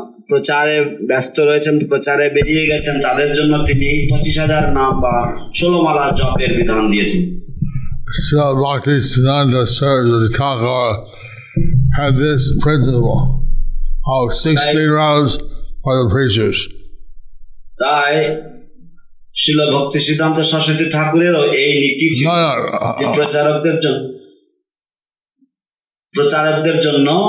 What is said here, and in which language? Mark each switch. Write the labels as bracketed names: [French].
[Bangla] প্রচারে ব্যস্ত রয়েছেন, প্রচারে বেরিয়ে গেছেন, তাদের জন্য তিনি 25,000 নাম বা ষোলমালা জপের বিধান দিয়েছেন। [English] So Bhakti Siddhanta Saraswati Thakur had this principle of 16 rounds for the preachers. [Bangla] তাই শিল ভক্তি সিদ্ধান্ত সরস্বতী ঠাকুরেরও এই নীতি ছিল প্রচারকদের জন্য, প্রচারকদের জন্য